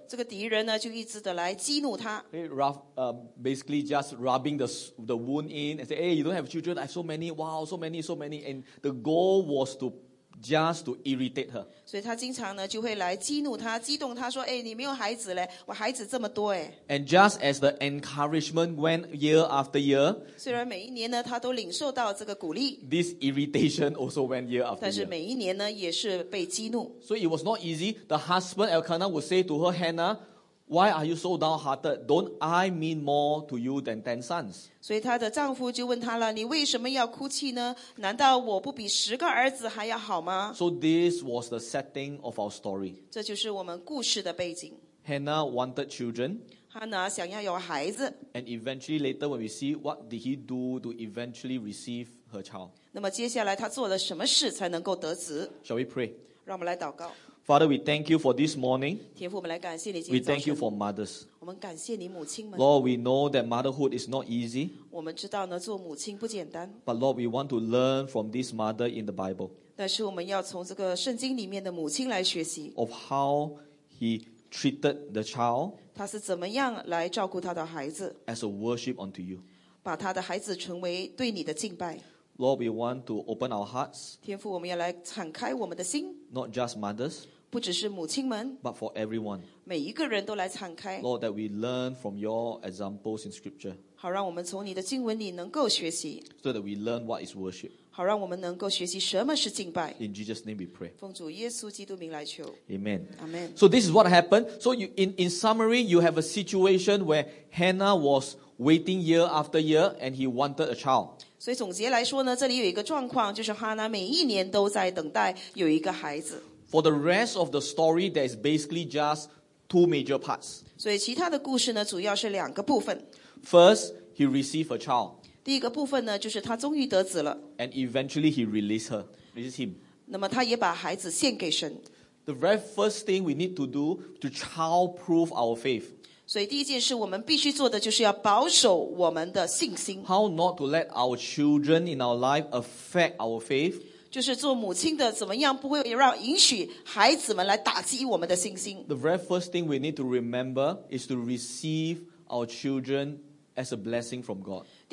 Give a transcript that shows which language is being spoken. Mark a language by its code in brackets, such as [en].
[zh] 这个敌人呢, 就一直地来激怒她, [en] basically just rubbing the wound in and say, hey, you don't have children, I have so many, wow, so many, so many. And the goal was to just to irritate her. [zh] 所以她经常呢, 就会来激怒她, 激动她说, [en] hey, [zh] 你没有孩子嘞, 我孩子这么多, [en] and just as the encouragement went year after year, [zh] 虽然每一年呢, 她都领受到这个鼓励, [en] this irritation also went year after year. [zh] 但是每一年呢, 也是被激怒。 [en] So it was not easy. The husband Elkanah would say to her, Hannah, why are you so downhearted? Don't I mean more to you than 10 sons? [zh] 所以她的丈夫就问她了, 你为什么要哭泣呢? 难道我不比十个儿子还要好吗? [en] So this was the setting of our story. [zh] 这就是我们故事的背景。 [en] Hannah wanted children. [zh] Hannah 想要有孩子。 [en] And eventually later when we see, what did he do to eventually receive her child? [zh] 那么接下来她做了什么事才能够得子? [en] Shall we pray? [zh] 让我们来祷告。 [en] Father, we thank you for this morning. [zh] 天父, [en] we thank you for mothers. Lord, we know that motherhood is not easy. [zh] 我们知道呢, [en] but Lord, we want to learn from this mother in the Bible. Of how he treated the child. [zh] 他是怎么样来照顾他的孩子, [en] as a worship unto you. Lord, we want to open our hearts. [zh] 天父, [en] not just mothers. [zh] 不只是母亲们, [en] but for everyone. [zh] 每一个人都来敞开, [en] Lord, that we learn from your examples in Scripture. [zh] 好让我们从你的经文里能够学习, [en] so that we learn what is worship. [zh] 好让我们能够学习什么是敬拜, [en] in Jesus' name we pray. [zh] 奉主耶稣基督名来求, [en] Amen. Amen. So this is what happened. So you, in summary, you have a situation where Hannah was waiting year after year and he wanted a child. [zh] 所以总结来说呢, 这里有一个状况, 就是哈娜每一年都在等待, 有一个孩子。 [en] For the rest of the story, there is basically just two major parts. [zh] 所以其他的故事呢, 主要是两个部分。 [en] First, he received a child. [zh] 第一个部分呢, 就是他终于得子了。 [en] And eventually he released her, released him. [zh] 那么他也把孩子献给神。 [en] The very first thing we need to do to child-proof our faith. [zh] 所以第一件事我们必须做的就是要保守我们的信心。 [en] How not to let our children in our life affect our faith. [zh] 就是做母亲的怎么样不会让允许孩子们来打击我们的信心。 [en] The very first thing we need to remember is to receive our children as a blessing from God.